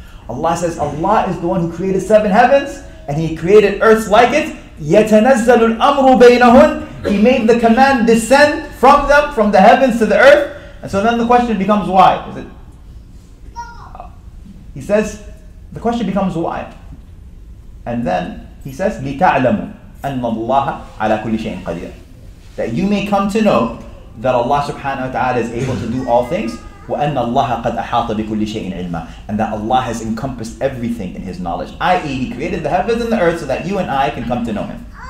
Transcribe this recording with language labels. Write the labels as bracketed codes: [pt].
[en] Allah says, Allah is the one who created seven heavens, and He created earth like it. [ar] يَتَنَزَّلُ الْأَمْرُ بَيْنَهُنْ. [en] He made the command descend from them, from the heavens to the earth. And so then the question becomes why? Is it? He says, the question becomes why? And then he says, [ar] لِتَعْلَمُ أَنَّ اللَّهَ عَلَى كُلِّ شَيْءٍ قَدِيرٍ. [en] That you may come to know that Allah subhanahu wa ta'ala is able to do all things. [ar] وَأَنَّ اللَّهَ قَدْ أَحَاطَ بِكُلِّ شَيْءٍ عِلْمًا. [en] And that Allah has encompassed everything in His knowledge. I.e. He created the heavens and the earth so that you and I can come to know Him.